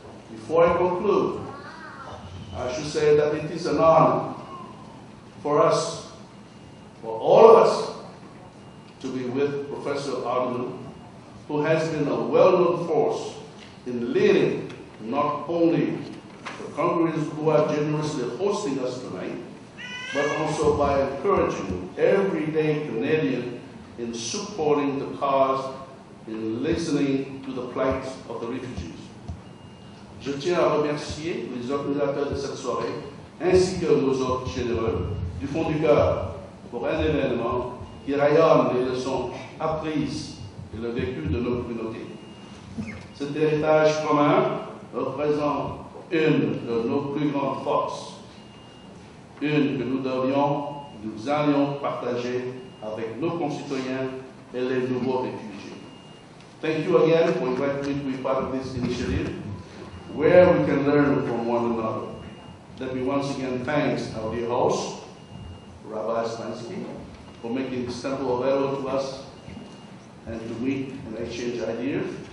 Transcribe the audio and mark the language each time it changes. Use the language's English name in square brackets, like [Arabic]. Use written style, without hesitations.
[English] Before I conclude, I should say that it is an honor for us, for all of us, to be with Professor Alderman, who has been a well-known force in leading not only the Congress who are generously hosting us tonight, but also by encouraging everyday Canadian in supporting the cause, in listening to the plight of the refugees. [French] Je tiens à remercier les organisateurs de cette soirée ainsi que nos hôtes généreux du fond du cœur pour un événement qui rayonne les leçons apprises et le vécu de nos communautés. Cet héritage commun représente une de nos plus grandes forces, une que nous allions partager avec nos concitoyens et les nouveaux réfugiés. [English] Thank you again for inviting me to be part of this initiative, where we can learn from one another. Let me once again thank our dear host, Rabbi Spansky, for making this temple available to us and to meet and exchange ideas.